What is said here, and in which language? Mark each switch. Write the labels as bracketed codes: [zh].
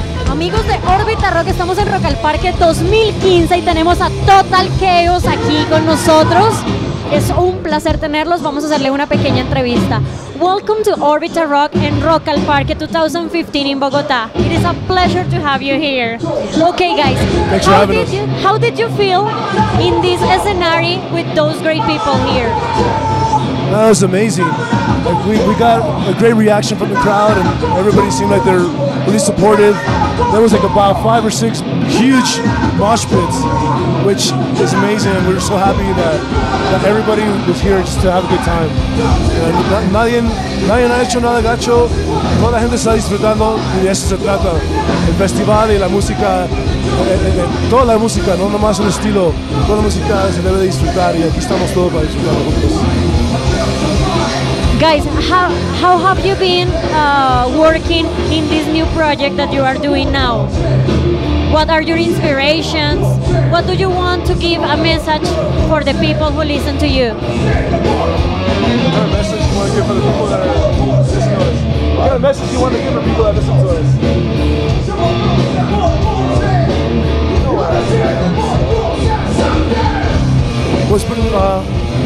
[es] amigos de Órbita Rock, estamos en Rock al Parque 2015 y tenemos a Total Chaos aquí con nosotros. Es un placer tenerlos, vamos a hacerle una pequeña entrevista. [en] Welcome to Órbita Rock en Rock al Parque 2015 in Bogotá. It is a pleasure to have you here. Okay guys, how did you feel in this scenario with those great people here? That was amazing. Like we got a great reaction from the crowd and everybody seemed like they're really supportive. There was like about 5 or 6 huge mosh pits, which is amazing. And we're so happy that everybody was here just to have a good time. [es] And nadie ha hecho nada gacho. Toda la gente está disfrutando y de eso se trata. El festival y la música, toda la música, no nomás el estilo. Toda la música se debe de disfrutar y aquí estamos todos para disfrutar juntos. [en] Guys, how have you been working in this new project that you are doing now? What are your inspirations? What do you want to give a message for the people who listen to you? What kind of message you want to give for people that listen to us?